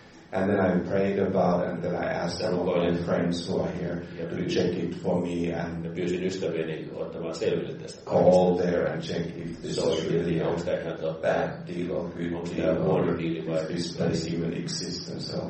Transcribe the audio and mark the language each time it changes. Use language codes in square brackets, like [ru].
[en] And then I prayed about it, and then I asked several friends who are here to check it for me and [fi] pyysin ystäväni ottamaan selville tästä. [en] Call there and check if this is really a bad deal or good deal, if this place even exists and so on.